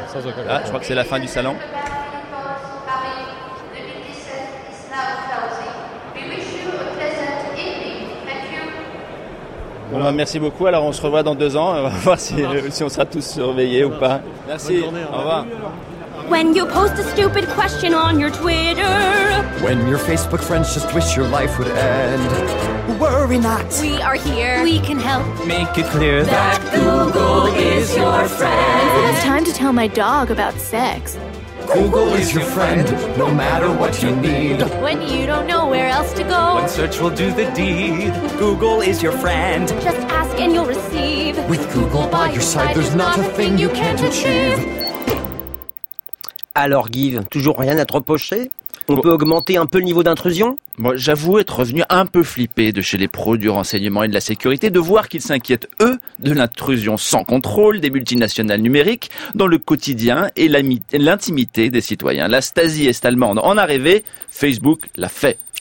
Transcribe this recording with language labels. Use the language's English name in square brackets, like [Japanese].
[French] Sans aucun contrôle. Là, je crois que c'est la fin du salon. Voilà. Bon, merci beaucoup. Alors, on se revoit dans 2 ans. On va voir si on sera tous surveillés ou pas. Merci. Bonne journée, au revoir. [English] When you post a stupid question on your Twitter. When your Facebook friends just wish your life would end. Worry not. We are here. We can help. Make it clear that Google is your friend. It's time to tell my dog about sex. Google is your friend, no matter what you need. When you don't know where else to go. When search will do the deed. Google is your friend. Just ask and you'll receive. With Google by your side, there's not a thing you can't achieve. [French] Alors, Give, toujours rien à te reprocher ? On peut augmenter un peu le niveau d'intrusion ? Moi, j'avoue être revenu un peu flippé de chez les pros du renseignement et de la sécurité de voir qu'ils s'inquiètent, eux, de l'intrusion sans contrôle des multinationales numériques dans le quotidien et l'intimité des citoyens. La Stasi est allemande en arrivée, Facebook l'a fait.